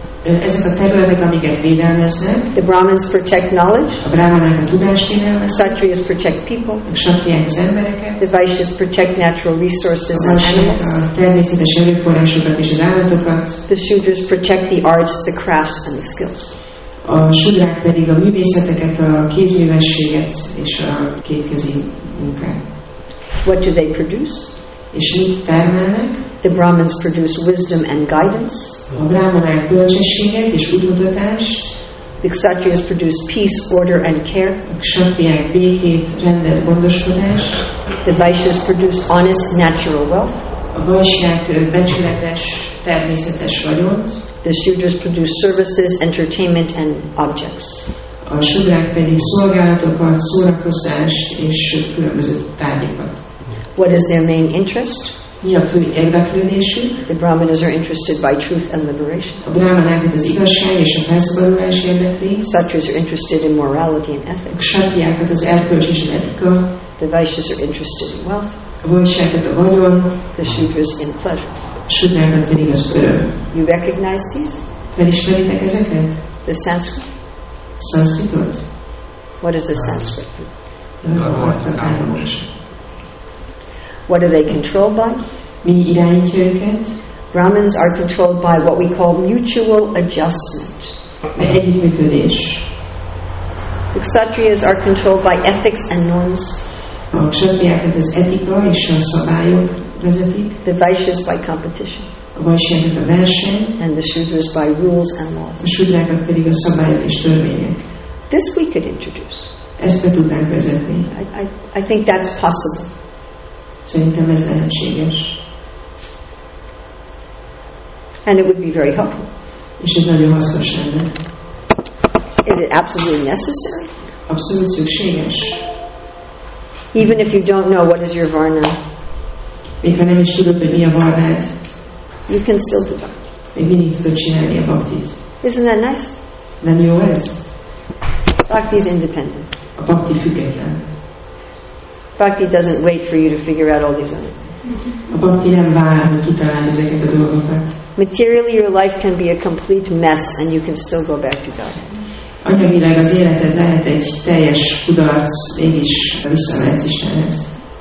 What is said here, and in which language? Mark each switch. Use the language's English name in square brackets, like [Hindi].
[Hungarian] Ezek a területek, amiket védelmeznek. [English] The Brahmins protect knowledge. [Hungarian] A brahmanák a tudást védelmeznek. [English] Kshatriyas protect people. [Hungarian] A kshatriyák az embereket. [English] The Vaishyas protect natural resources and animals. [Hungarian] A természetes erőforrásokat és az állatokat. [English] The Shudras protect the arts, the crafts and the skills. [Hungarian] A Shudrák pedig a művészeteket, a kézművességet és a kétkezi munkát. [English] What do they produce? [Hungarian] És mit termelnek? [English] The Brahmins produce wisdom and guidance. [Hungarian] A brahmanák bölcsességet és útmutatást. [English] The Kshatriyas produce peace, order and care. [Hungarian] A kshatriák békét, rendet, gondoskodást. [English] The Vaishyas produce honest natural wealth. [Hungarian] A vaishyák becsületes, természetes vagyont. [English] The Shudras produce services, entertainment and objects. [Hungarian] A Shudrák pedig szolgálatokat, szórakozást és különböző tárgyakat. [English] What is their main interest? [Hungarian] Mi a fő érdeklődésük? [English] The Brahmanas are interested by truth and liberation. [Hungarian] A brahmanák az igazság és a felszabadulás érdekli. [English] Kshatriyas are interested in morality and ethics. [Hungarian] A kshatriyákat az erkölcs és az etika. [English] The Vaishyas are interested in wealth. [Hungarian] A vaishyákat a vagyon. [English] The Shudras in pleasure. [Hungarian] A Shudrákat pedig az öröm. [English] You recognize these? [Hungarian] Felismeritek ezeket? [English] The Sanskrit. [Hungarian] Sanskritot. [English] What is a Sanskrit? The Vartakáromos. What are they controlled by? [Hungarian] Mi irányítja őket? [English] Brahmins are controlled by what we call mutual adjustment. [Hungarian] Együttműködés. [English] The Kshatriyas are controlled by ethics and norms. [Hungarian] A kshatriákat az etika és a szabályok vezetik. [English] The Vaishyas by competition. [Hungarian] A vaishyákat a verseny. [English] And the Shudras by rules and laws. [Hungarian] A shudrákat pedig a szabályok és törvények. [English] This we could introduce. [Hungarian] Ezt be tudnánk vezetni. [English] I think that's possible. [Hungarian] Szerintem ez lehetséges. [English] And it would be very helpful. [Hungarian] És ez nagyon hasznos lenne. [English] Is it absolutely necessary? [Hungarian] Abszolút szükséges. [English] Even if you don't know what is your varna. [Hungarian] Még ha nem is tudod, hogy mi a varnád. [English] You can still do that. [Hungarian] Még mindig tudod csinálni a baktit. [English] Isn't that nice? [Hungarian] Nem jó ez? [English] Bhakti is independent. [Hungarian] A bhakti független. [English] Bhakti doesn't wait for you to figure out all these other things. [Hungarian] A bhakti nem vár, hogy kitaláld ezeket a dolgokat. [English] Materially, your life can be a complete mess, and you can still go back to God. [Hungarian] Anyagilag az életed lehet egy teljes kudarc, mégis visszamehetsz Istenhez.